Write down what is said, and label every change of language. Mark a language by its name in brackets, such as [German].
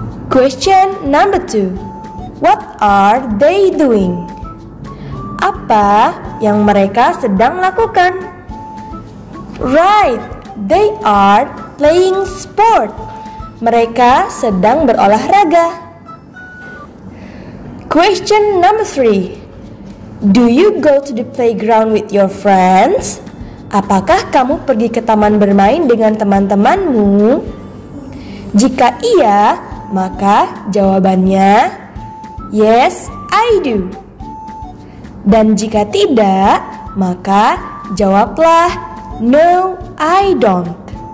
[English] Question number 2. What are they doing? [Indonesian] Apa yang mereka sedang lakukan? [English] Right, they are playing sport. [Indonesian] Mereka sedang berolahraga. [English] Question number 3. Do you go to the playground with your friends? [Indonesian] Apakah kamu pergi ke taman bermain dengan teman-temanmu? Jika iya, maka jawabannya [English] yes, I do. [Indonesian] Dan jika tidak, maka jawablah [English] no, I don't.